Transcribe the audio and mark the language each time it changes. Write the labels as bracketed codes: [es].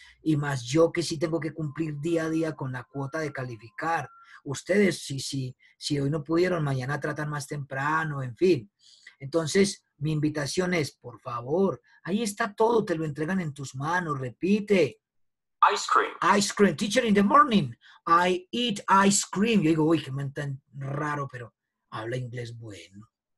[es] Y más yo que sí tengo que cumplir día a día con la cuota de calificar. Ustedes, si hoy no pudieron, mañana tratan más temprano, en fin. Entonces, mi invitación es, por favor, ahí está todo, te lo entregan en tus manos, repite. [en] Ice cream. Teacher, in the morning, I eat ice cream. [es] Yo digo, uy, qué man tan raro, pero habla inglés bueno.